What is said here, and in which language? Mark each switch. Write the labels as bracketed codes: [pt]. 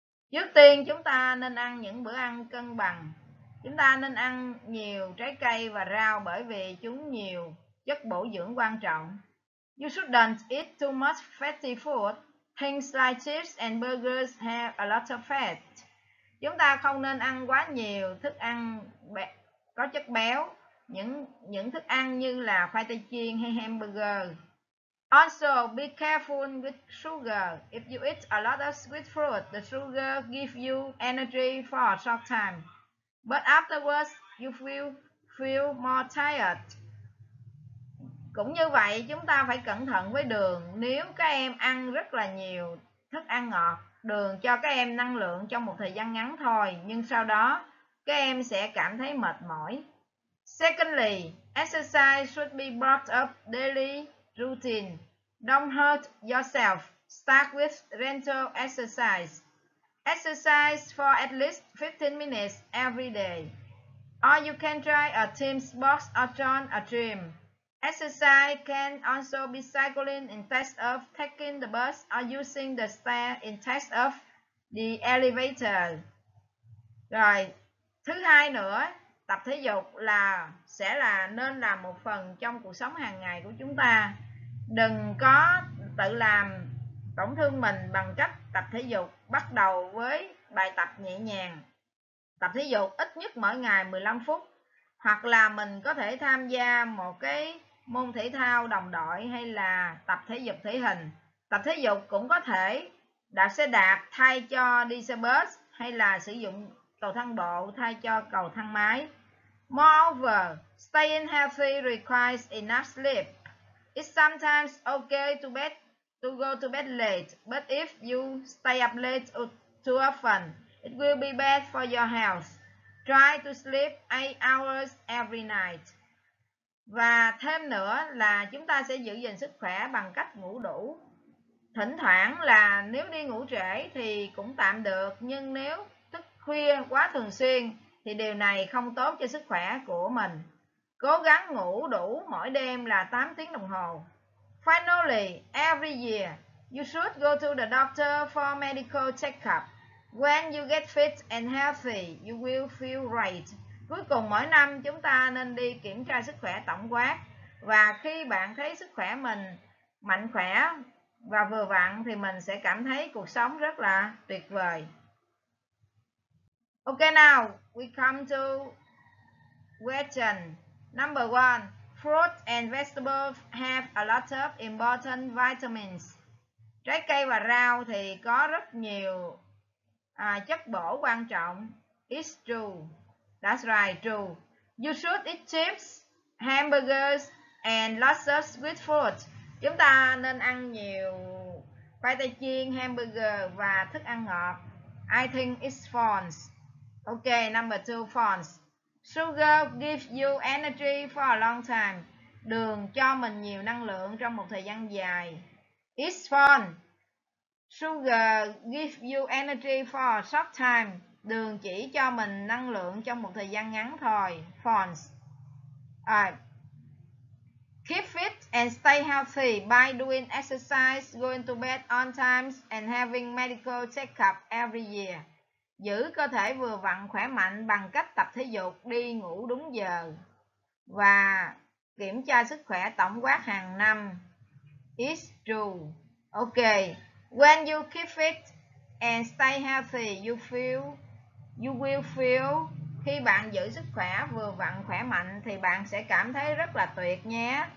[vi] Trước tiên chúng ta nên ăn những bữa ăn cân bằng. Chúng ta nên ăn nhiều trái cây và rau bởi vì chúng nhiều chất bổ dưỡng quan trọng. [en] You shouldn't eat too much fatty food. Things like chips and burgers have a lot of fat. [vi] Chúng ta không nên ăn quá nhiều thức ăn có chất béo, những thức ăn như là khoai tây chiên hay hamburger. [en] Also, be careful with sugar. If you eat a lot of sweet fruit, the sugar gives you energy for a short time. But afterwards, you feel more tired. [vi] Cũng như vậy, chúng ta phải cẩn thận với đường. Nếu các em ăn rất là nhiều thức ăn ngọt, đường cho các em năng lượng trong một thời gian ngắn thôi, nhưng sau đó, các em sẽ cảm thấy mệt mỏi. [en] Secondly, exercise should be brought up daily routine. Don't hurt yourself. Start with gentle exercise. Exercise for at least 15 minutes every day. Or you can try a team sport or join a gym. Exercise can also be cycling in place of taking the bus or using the stair in place of the elevator. [vi] Rồi, thứ hai nữa, tập thể dục là sẽ là nên làm một phần trong cuộc sống hàng ngày của chúng ta. Đừng có tự làm tổn thương mình bằng cách tập thể dục. Bắt đầu với bài tập nhẹ nhàng. Tập thể dục ít nhất mỗi ngày 15 phút. Hoặc là mình có thể tham gia một cái môn thể thao đồng đội hay là tập thể dục thể hình. Tập thể dục cũng có thể đạp xe đạp thay cho đi xe bus hay là sử dụng cầu thang bộ thay cho cầu thang máy. [en] Moreover, staying healthy requires enough sleep. It's sometimes okay to go to bed late, but if you stay up late too often, it will be bad for your health. Try to sleep 8 hours every night. [vi] Và thêm nữa là chúng ta sẽ giữ gìn sức khỏe bằng cách ngủ đủ. Thỉnh thoảng là nếu đi ngủ trễ thì cũng tạm được, nhưng nếu thức khuya quá thường xuyên thì điều này không tốt cho sức khỏe của mình. Cố gắng ngủ đủ mỗi đêm là 8 tiếng đồng hồ. [en] Finally, every year, you should go to the doctor for medical checkup. When you get fit and healthy, you will feel right. [vi] Cuối cùng mỗi năm chúng ta nên đi kiểm tra sức khỏe tổng quát. Và khi bạn thấy sức khỏe mình mạnh khỏe và vừa vặn thì mình sẽ cảm thấy cuộc sống rất là tuyệt vời. [en] Ok now, we come to question. Number one, fruits and vegetables have a lot of important vitamins. [vi] Trái cây và rau thì có rất nhiều chất bổ quan trọng. [en] It's true. That's right, true. You should eat chips, hamburgers and lots of sweet food. [vi] Chúng ta nên ăn nhiều khoai tây chiên, hamburger và thức ăn ngọt. [en] I think it's false. Ok, number two, false. Sugar gives you energy for a long time. [vi] Đường cho mình nhiều năng lượng trong một thời gian dài. [en] It's fun. Sugar gives you energy for a short time. [vi] Đường chỉ cho mình năng lượng trong một thời gian ngắn thôi. [en] False. Keep fit and stay healthy by doing exercise, going to bed on time and having medical checkup every year. [vi] Giữ cơ thể vừa vặn khỏe mạnh bằng cách tập thể dục, đi ngủ đúng giờ và kiểm tra sức khỏe tổng quát hàng năm. [en] It's true. Ok. When you keep fit and stay healthy, you will feel [vi] khi bạn giữ sức khỏe vừa vặn khỏe mạnh thì bạn sẽ cảm thấy rất là tuyệt nhé.